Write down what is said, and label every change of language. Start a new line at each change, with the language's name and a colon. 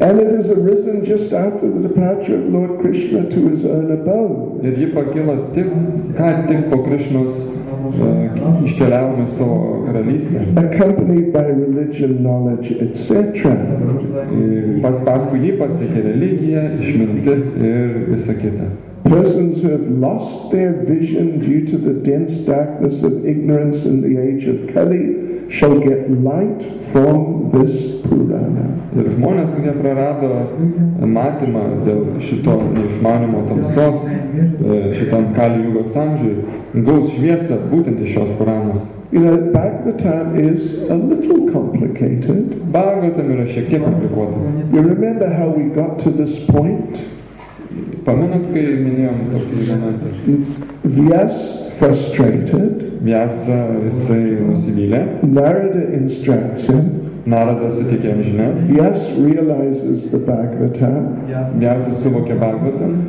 English: And it has arisen just after the departure of Lord Krishna to his own abode.
Lithuanian: Ir ji pakilo tik, ką tik po Krishnos iškeliavome savo karalystę.
English: Accompanied by religion, knowledge, etc.
Lithuanian: Paskui jį pasiekė religija, išmintis ir visa kita.
English: Persons who have lost their vision due to the dense darkness of ignorance in the age of Kali shall get light from this Purana.
Lithuanian: Ir žmonės, kurie prarado matymą dėl šito neišmanimo tamsos šitam Kali Jugos amžiui, gaus šviesą būtent iš šios Puranos.
English: You know, Bhagavatam is a little complicated.
Lithuanian: Bhagavatam yra šiek tiek komplikuota.
English: You remember how we got to this point?
Lithuanian: Pamenat, kai minėjom tokį momentą.
English: Vyas frustrated.
Lithuanian: Vyasa, jisai nusivylė.
English: Narada instructs him.
Lithuanian: Narada suteikė jam žinias.
English: Vyas realizes the Bhagavatam.
Lithuanian: Vyasa suvokė Bhagavatam.